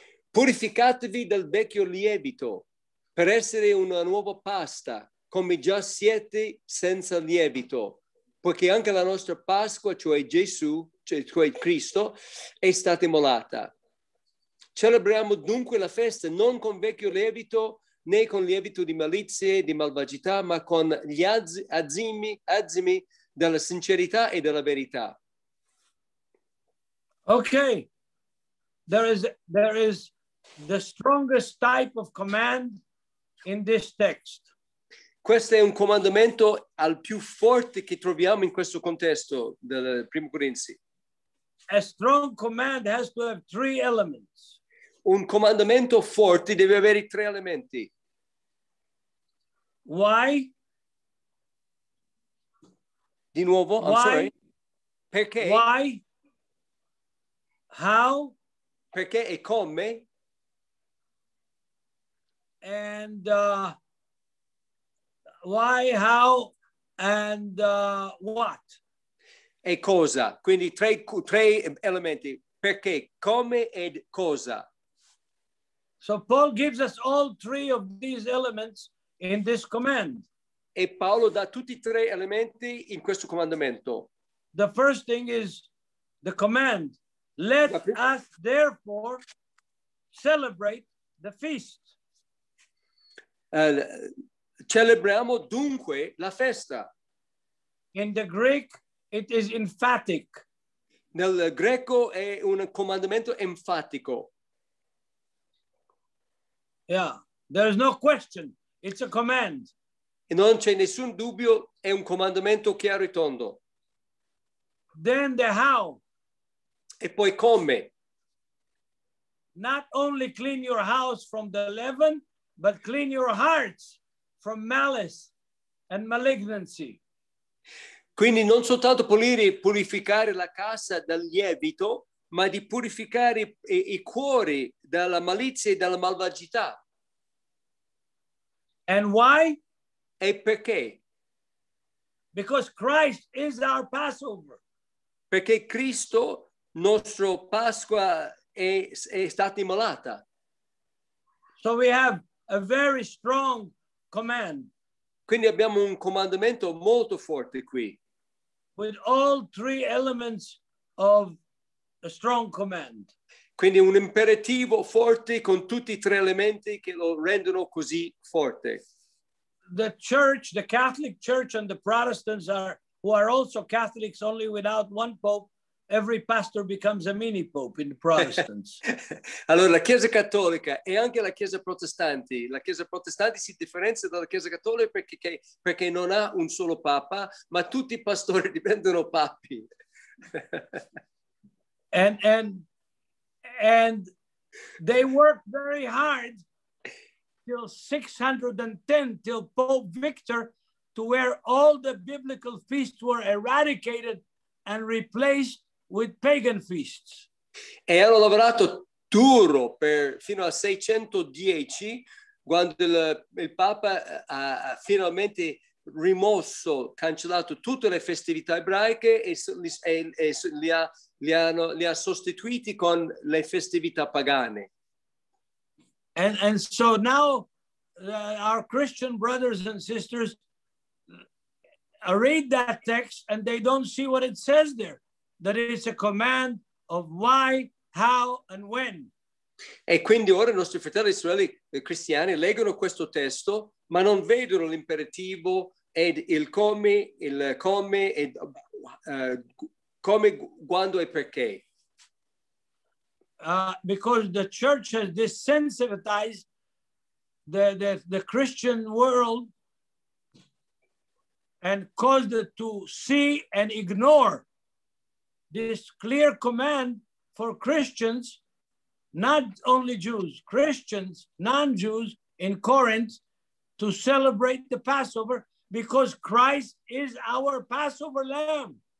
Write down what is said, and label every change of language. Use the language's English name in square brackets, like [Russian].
[Italian] Purificatevi dal vecchio lievito per essere una nuova pasta, come già siete senza lievito, poiché anche la nostra Pasqua, cioè Gesù, cioè Cristo, è stata immolata. Celebriamo dunque la festa non con vecchio lievito, né con lievito di malizie e di malvagità, ma con gli azimi della sincerità e della verità. Okay. [English] There is the strongest type of command in this text. [Italian] Questo è un comandamento al più forte che troviamo in questo contesto del Primo Corinzi. [English] A strong command has to have 3 elements. [Italian] Un comandamento forte deve avere 3 elementi. [English] Why? [Italian] Di nuovo, [English] I'm sorry. [Italian] Perché? [English] Why? How? [Italian] Perché e come? [English] And why, how, and what? [Italian] e cosa. Quindi tre elementi. Perché, come ed cosa. [English] So Paul gives us all three of these elements in this command. [Italian] E Paolo dà tutti tre elementi in questo comandamento. [English] The first thing is the command. Let us therefore celebrate the feast. [Italian] Celebriamo dunque la festa. [English] In the Greek, it is emphatic. [Italian] Nel greco è un comandamento enfatico. [English] Yeah, there is no question. It's a command. [Italian] E non c'è nessun dubbio, è un comandamento chiaro e tondo. [English] Then the how. [Italian] E poi come. [English] Not only clean your house from the leaven, but clean your hearts from malice and malignancy. [Italian] Quindi non soltanto pulire e purificare la casa dal lievito, ma di purificare i cuori dalla malizia e dalla malvagità. [English] And why? [Italian] E perché? [English] Because Christ is our Passover. [Italian] Perché Cristo, nostro Pasqua, è stato immolato. [English] So we have a very strong command. [Italian] Quindi abbiamo un comandamento molto forte qui. [English] With all three elements of a strong command. [Italian] Quindi un imperativo forte con tutti i tre elementi che lo rendono così forte. [English] The church, the Catholic Church and the Protestants who are also Catholics only without one pope, every pastor becomes a mini pope in the Protestants. [Italian] Allora la Chiesa Cattolica e anche la Chiesa Protestante si differenzia dalla Chiesa Cattolica perché non ha un solo papa, ma tutti i pastori diventano papi. [English] and they work very hard till 610 till Pope Victor, to where all the biblical feasts were eradicated and replaced with pagan feasts. [Italian] E hanno lavorato duro per fino a 610, quando il Papa ha finalmente rimosso, cancellato tutte le festività ebraiche e li ha sostituiti con le festività pagane. [English] And so now our Christian brothers and sisters read that text and they don't see what it says there. That it is a command of why, how, and when. [Italian] E quindi ora i nostri fratelli israeli cristiani leggono questo testo, ma non vedono l'imperativo ed il come, quando e perché. [English] Because the church has desensitized the Christian world and caused it to see and ignore this clear command for Christians, not only Jews, Christians, non-Jews in Corinth, to celebrate the Passover, because Christ is our Passover lamb.